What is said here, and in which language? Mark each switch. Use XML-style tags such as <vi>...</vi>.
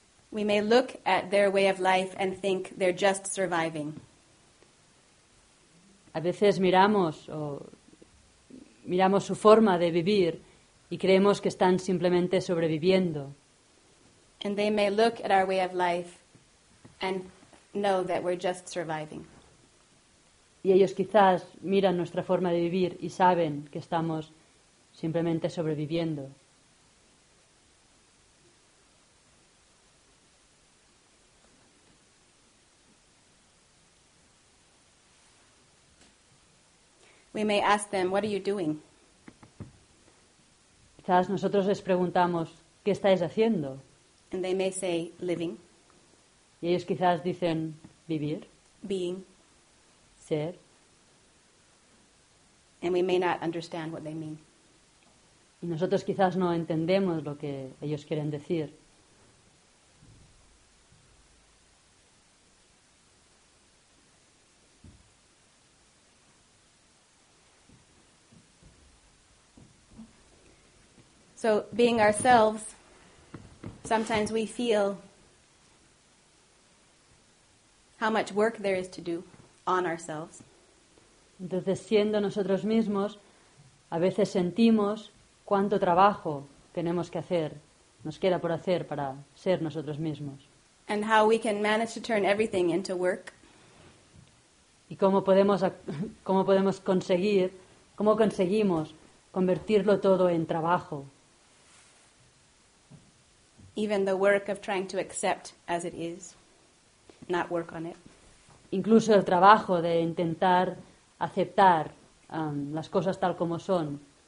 <en>We may look at their way of life and think they're just surviving.</en> <es>A veces miramos su forma de vivir y creemos que están simplemente sobreviviendo.</es> <en>And they may look at our way of life and know that we're just surviving.</en> <es>Y ellos quizás miran nuestra forma de vivir y saben que estamos simplemente sobreviviendo.</es> <en>We may ask them, what are you doing?</en> <es>Quizás nosotros les preguntamos, ¿qué estáis haciendo?</es> <en>And they may say, living.</en> <es>Y ellos quizás dicen, vivir.</es> <en>Being.</en> <es>Ser.</es> <en>And we may not understand what they mean.</en> <es>Y nosotros quizás no entendemos lo que ellos quieren decir.</es> <en>So being ourselves, sometimes we feel how much work there is to do on ourselves.</en> <es>Entonces, siendo nosotros mismos, a veces sentimos cuánto trabajo tenemos que hacer, nos queda por hacer para ser nosotros mismos.</es> <en>And how we can manage to turn everything into work.</en> <es>Y cómo conseguimos convertirlo todo en trabajo.</es> <en>Even the work of trying to accept as it is, not work on it.</en> <es>incluso el trabajo de intentar aceptar las cosas tal como son,</es>